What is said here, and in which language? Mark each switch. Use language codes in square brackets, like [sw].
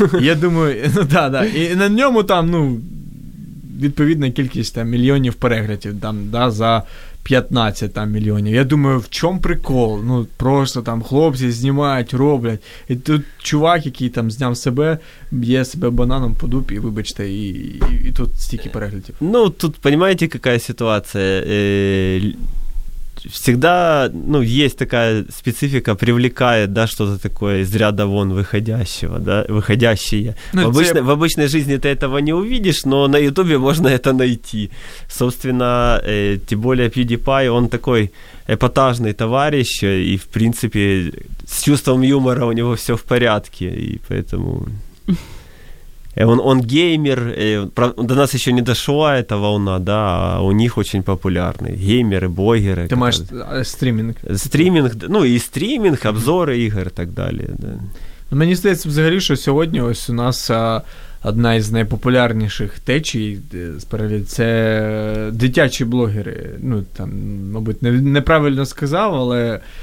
[uk] Я думаю, ну, да. І на ньому там, ну, відповідна кількість там мільйонів переглядів там, да, за 15 там мільйонів. Я думаю, в чому прикол? Ну, просто там хлопці знімають, роблять. І тут чувак, який там зняв себе, б'є себе бананом по дупі, вибачте, і тут стільки переглядів. Ну, тут, розумієте, яка ситуація? [ru] всегда, ну, есть такая специфика, привлекает, да, что-то такое из ряда вон выходящего, да, выходящее. Ну, в обычной жизни ты этого не увидишь, но на Ютубе можно это найти. Собственно, тем более PewDiePie, он такой эпатажный товарищ, и, в принципе, с чувством юмора у него все в порядке, и поэтому... Он геймер, до нас еще не дошла эта волна, да, а у них очень популярны геймеры, блогеры. Ты понимаешь, стриминг. Стриминг, ну и стриминг, обзоры игр и так далее. Да. [uk] Мені здається взагалі, що сьогодні ось у нас одна із найпопулярніших течій, справді, це дитячі блогери. Ну, там, мабуть, неправильно сказав, але...